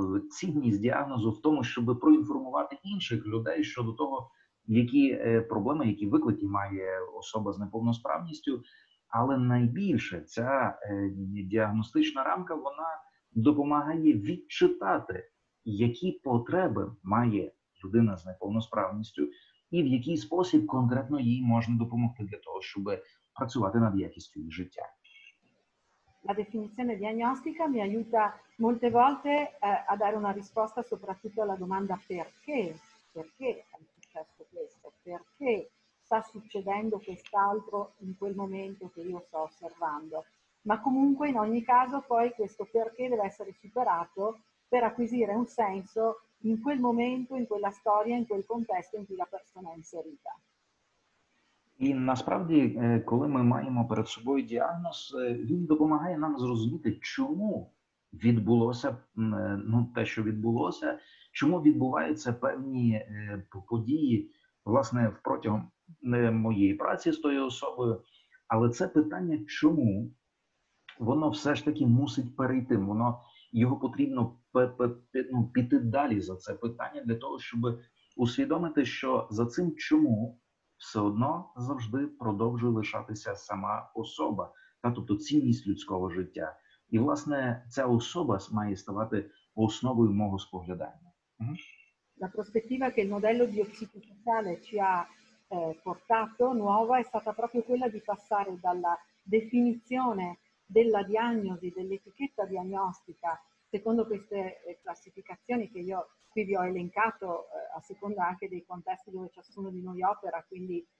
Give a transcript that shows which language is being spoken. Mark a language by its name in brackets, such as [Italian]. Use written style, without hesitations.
[Ukrainian] цінність діагнозу в тому, щоб проінформувати інших людей щодо того, які проблеми, які виклики має особа з неповносправністю, але найбільше ця діагностична рамка, вона допомагає відчитати, які потреби має людина з неповносправністю і в який спосіб конкретно їй можна допомогти для того, щоб працювати над якістю її життя. [Italian] La definizione diagnostica mi aiuta molte volte a dare una risposta soprattutto alla domanda perché? Perché è successo questo? Perché sta succedendo quest'altro in quel momento che io sto osservando? Ma comunque in ogni caso poi questo perché deve essere superato per acquisire un senso in quel momento, in quella storia, in quel contesto in cui la persona è inserita. [Ukrainian] І насправді, коли ми маємо перед собою діагноз, він допомагає нам зрозуміти, чому відбулося, ну, те, що відбулося, чому відбуваються певні події, власне, протягом моєї праці з тою особою. Але це питання «чому» воно все ж таки мусить перейти, воно, його потрібно піти далі за це питання для того, щоб усвідомити, що за цим «чому» все одно завжди продовжує лишатися сама особа, та, тобто цінність людського життя. І, власне, ця особа має ставати основою мого споглядання. [Italian] La prospettiva che il modello biopsicosociale ci ha portato nuova è stata proprio quella di passare dalla definizione della diagnosi, dell'etichetta diagnostica, secondo queste classificazioni che io qui vi ho elencato a seconda anche dei contesti dove ciascuno di noi opera, quindi